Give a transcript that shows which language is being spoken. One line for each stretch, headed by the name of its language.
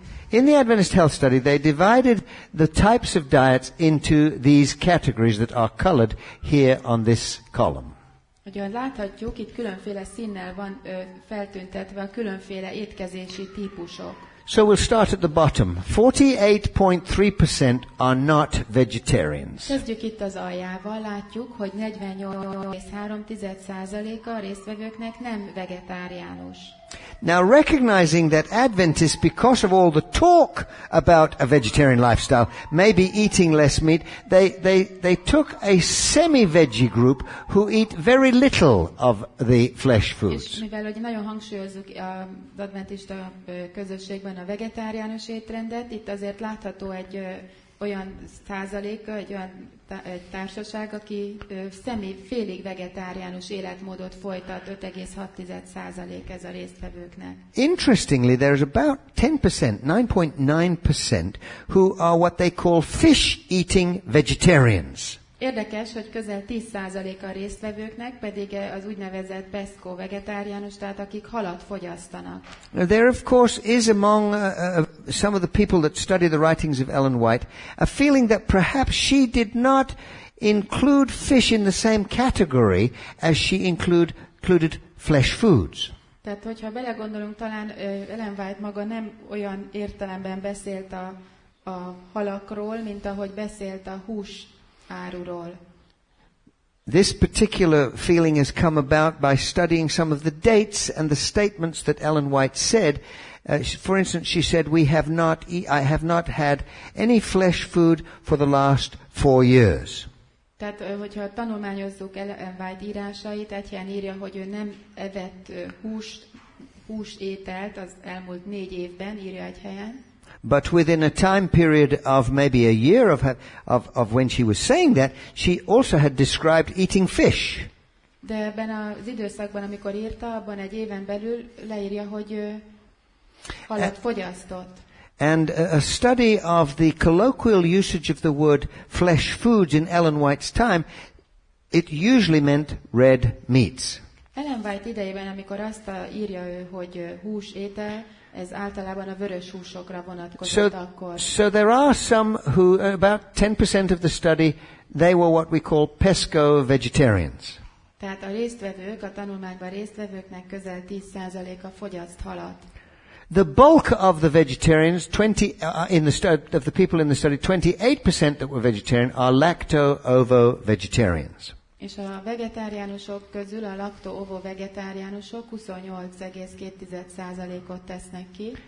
English: In the Adventist health study, they divided the types of diets into these categories that are colored here on this column.
Hungarian: Ugyan láthatjuk, itt különféle színnel van feltüntetve a különféle étkezési típusok.
English: So we'll start at the bottom. 48.3% are not vegetarians.
Hungarian: Kezdjük itt az aljával, látjuk, hogy 48.3%-a a résztvevőknek nem vegetáriánus.
English: Now recognizing that Adventists, because of all the talk about a vegetarian lifestyle, may be eating less meat, they took a semi-veggie group who eat very little of the flesh foods.
Hungarian: És mivel hogy nagyon hangsúlyozzuk az adventista közösségben a vegetáriánus étrendet, itt azért látható egy olyan százalék, egy olyan társaság, aki személy félig vegetáriánus életmódot folytat, 5.6% ez a résztvevőknek.
English: Interestingly, there is about 10%, 9.9%, who are what they call fish-eating vegetarians.
Hungarian: Érdekes, hogy közel 10% a résztvevőknek, pedig az úgynevezett pesco vegetáriánus, tehát akik halat fogyasztanak.
English: There of course is among some of the people that study the writings of Ellen White a feeling that perhaps she did not include fish in the same category as she included flesh foods.
Hungarian: Tehát hogyha belegondolunk, talán Ellen White maga nem olyan értelemben beszélt a halakról, mint ahogy beszélt a hús áruról.
English: This particular feeling has come about by studying some of the dates and the statements that Ellen White said. For instance, she said, I have not had any flesh food for the last 4 years.
Hungarian: Tehát, hogyha tanulmányozzuk Ellen White írásait, egyen írja, hogy ő nem evett húsételt az elmúlt 4 évben, írja egy helyen.
English: But within a time period of maybe a year of when she was saying that, she also had described eating fish.
Hungarian: De ebben az időszakban, amikor írta, abban egy éven belül leírja, hogy halat fogyasztott.
English: And a study of the colloquial usage of the word flesh foods in Ellen White's time, it usually meant red meats.
Hungarian: Ellen White idejében, amikor azt írja ő, hogy hús étel, ez általában a vörös húsokra vonatkozott akkor.
English: So there are some who, about 10% of the study, they were what we call pesco vegetarians.
Hungarian: Tehát a résztvevők, a tanulmányban résztvevőknek közel 10%-a fogyaszt halat.
English: The bulk of the vegetarians, 20 in the study, of the people in the study, 28% that were vegetarian are lacto-ovo vegetarians.
Hungarian: És a vegetáriánusok közül a lacto-ovo vegetáriánusok 28.2%-ot tesznek ki.